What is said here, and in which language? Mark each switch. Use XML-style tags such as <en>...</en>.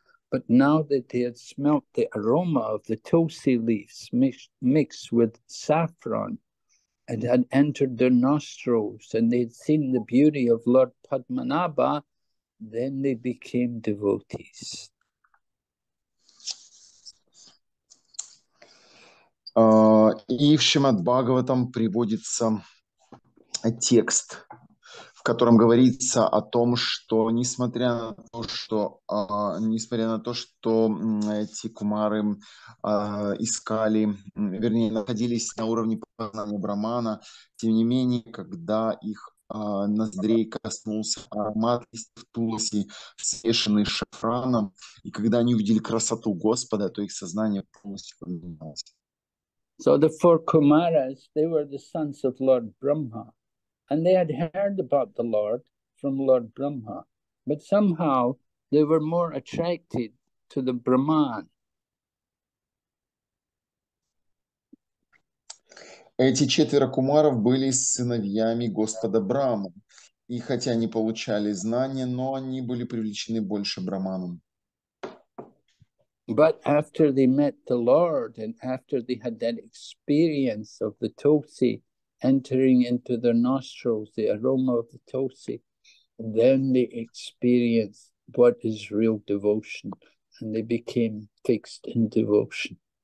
<en>But now that they had smelt the aroma of the tulsi leaves mixed with saffron, and had entered their nostrils, and they had seen the beauty of Lord Padmanabha, then they became devotees.</en> <ru>И в Шримад Бхагаватам приводится текст, в котором говорится о том, что несмотря на то, что эти кумары искали, вернее, находились на уровне познания Брахмана, тем не менее, когда их ноздрей коснулся аромат листьев туласи, смешанный с шафраном, и когда они увидели красоту Господа, то их сознание полностью поменялось.</ru> <en>So the four Kumaras, they were the sons of Lord Brahma, and they had heard about the Lord from Lord Brahma, but somehow they were more attracted to the Brahman.</en> <ru>Эти четверо кумаров были сыновьями Господа Брахмы, и хотя они получали знания, но они были привлечены больше Брахманом.</ru> <en>But after they met the Lord and after they had that experience of the tulsi entering into their nostrils, the aroma of the tulsi, then they experienced what is real devotion and they became fixed in devotion.</en>